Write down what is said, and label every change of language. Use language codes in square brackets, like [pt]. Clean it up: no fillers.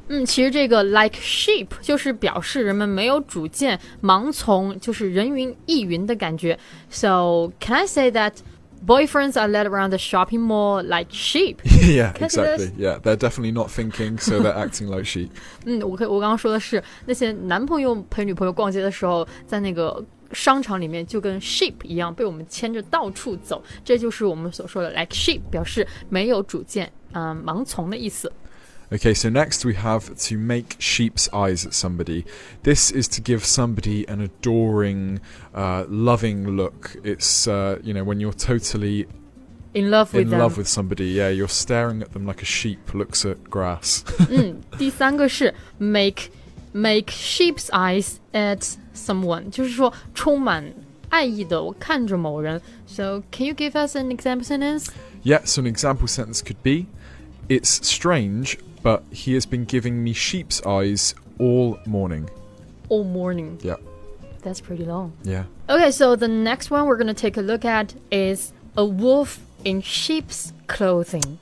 [zh] 其实这个 like sheep 就是表示人们没有主见、盲从、就是人云亦云的感觉。 [en] So, can I say thatBoyfriends are led around the shopping mall like sheep. Yeah, exactly. Yeah, they're definitely not thinking, so they're acting like sheep. [zh] 我刚刚说的是那些男朋友陪女朋友逛街的时候，在那个商场里面就跟 sheep 一样被我们牵着到处走。这就是我们所说的 like sheep， 表示没有主见，盲从的意思。 [en] Okay, so next we have to make sheep's eyes at somebody. This is to give somebody an adoring, loving look. It's, you know, when you're totally in love with somebody. Yeah, you're staring at them like a sheep looks at grass. [zh] 第三个是 make sheep's eyes at someone. 就是说充满爱意的看着某人。 [en] So can you give us an example sentence? Yeah, so an example sentence could be, it's strange... But he has been giving me sheep's eyes all morning. All morning. Yeah. That's pretty long. Yeah. Okay, so the next one we're going to take a look at is a wolf in sheep's clothing.